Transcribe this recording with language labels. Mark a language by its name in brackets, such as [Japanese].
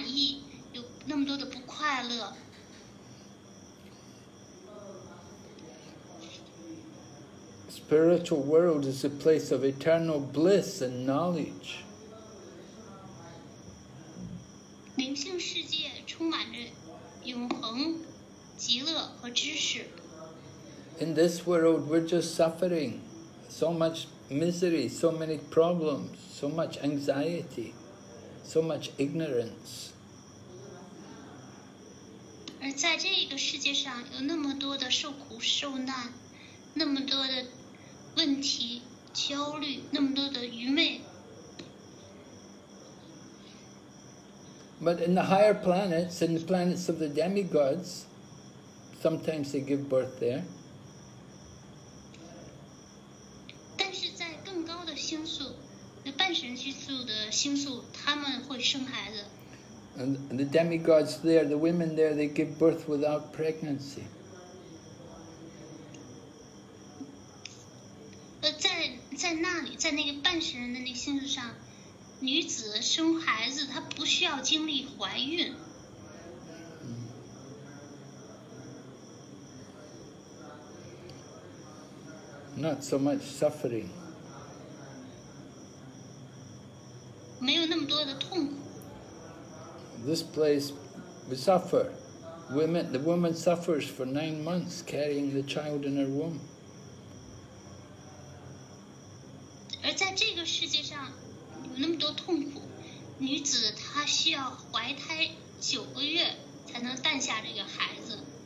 [Chinese] 物质的躯体，物质的感官，有物质的愿望，有那么多的令感官不安的事物，那么让人的不满意，有那么多的不快乐。 [English] Spiritual world is a place of eternal bliss and knowledge. [Chinese] 灵性世界充满着永恒、极乐和知识。 [English] In this world, we're just suffering, so much misery, so many problems, so much anxiety, so much ignorance. [Chinese] 而在这个世界上，有那么多的受苦受难，那么多的。问题、焦虑，那么多的愚昧。 [English] But in the higher planets, in the planets of the demigods, sometimes they give birth there. [Chinese] 但是在更高的星宿，那半神之宿的星宿，他们会生孩子。 [English] And the demigods there, the women there, they give birth without pregnancy. [Chinese] 在那里，在那个半神人的那星球上，女子生孩子，她不需要经历怀孕。 [English] Not so much suffering. [Chinese] 没有那么多的痛苦。 [English] this place, we suffer. Women, the woman suffers for 9 months carrying the child in her womb. [Chinese] 而在这个世界上有那么多痛苦，女子她需要怀胎9个月才能诞下这个孩子。